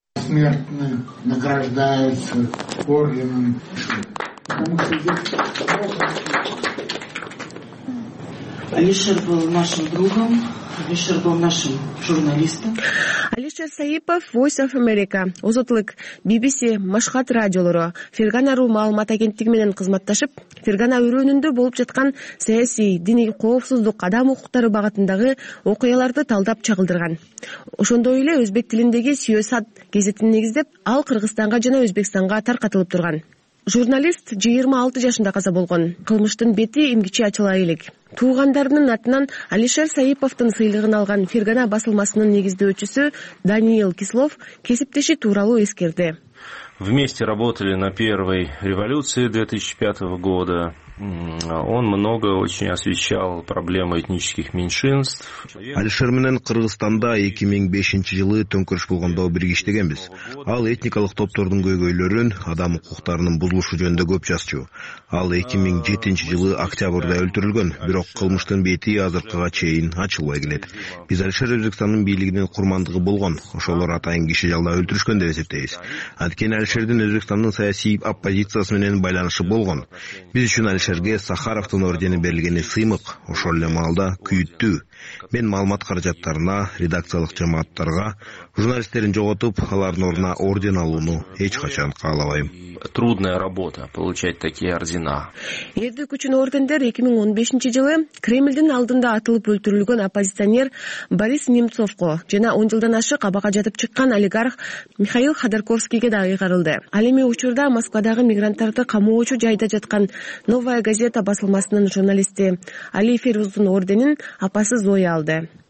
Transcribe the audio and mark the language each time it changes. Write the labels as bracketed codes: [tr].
[ru] Смертные награждаются орденом. Алишер был нашим другом. Алишер был нашим журналистом. [ky] Алишер Саипов, Voice of America, Озотлык, BBC, Машхат радиолору, Фергана РУ маалымат агенттиги менен кызматташып, Фергана өрөөнүндө болуп жаткан саясий, диний коопсуздук, адам укуктары багытындагы окуяларды талдап чагылдырган. Ошондой эле өзбек тилиндеги Сиёсат гезитин негиздеп, ал Кыргызстанга жана Өзбекстанга таркатылып турган. Журналист 26 жашында каза болгон. Кылмыштын бети эмгиче ачыла элек. Туугандарынын атынан Алишер Саиповдун сыйлыгын алган Фергана басылмасынын негиздөөчүсү Даниил Кислов кесиптеши тууралуу эскерди. [ru] Вместе работали на первой революции 2005 года. Он много очень освещал проблемы этнических меньшинств. [ky] Алишер менен Кыргызстанда 2005 жылы төңкөрүш болгондо бирге иштегенбиз. Ал этникалык топтордун көйгөйлөрүн, адам укуктарынын бузулушу жөнүндө көп жазчу. Ал 2007 жылы октябрда өлтүрүлгөн, бирок кылмыштын бети азыркыга чейин ачылбай келет. Биз Алишер Өзбекстандын бийлигинин курмандыгы болгон, ошолор атайын киши жалдап өлтүрүшкөн деп эсептейбиз. Анткени Алишердин Өзбекстандын саясий оппозициясы менен байланышы болгон. Биз үчүн Алишерге Сахаровдун ордени берилгени сыймык, ошол эле маалда күйүттүү. Мен маалымат каражаттарына, редакциялык жамааттарга журналисттерин жоготуп, алардын ордуна орден алууну эч качан каалабайм. [ru] Трудная работа получать такие ордена. [ky] Эрдик үчүн ордендер 2015 жылы Кремлдин алдында атылып өлтүрүлгөн оппозиционер Борис Немцовго жана 10 жылдан ашык абага жатып чыккан олигарх Михаил Ходорковскийге да ыйгарылды. Ал эми учурда Москвадагы мигранттарды камоочу жайда жаткан Новая газета басылмасынын журналисти Али Ферузун орденин апасы Зоя алды.